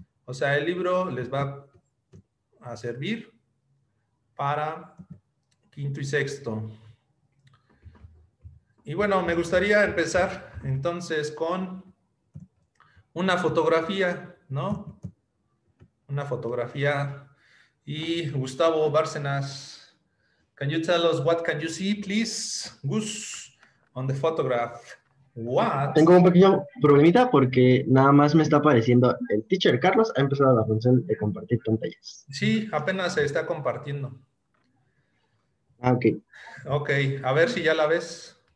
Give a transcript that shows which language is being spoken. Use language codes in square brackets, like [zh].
[es] O sea, el libro les va a servir para quinto y sexto. Y bueno, me gustaría empezar entonces con una fotografía, ¿no? Una fotografía. [en] Y Gustavo Bárcenas, can you tell us what can you see, please? Gus, on the photograph. What? [es] Tengo un pequeño problemita porque nada más me está apareciendo el teacher Carlos. Ha empezado la función de compartir pantallas. Sí, apenas se está compartiendo. Ah, ok. Ok, a ver si ya la ves.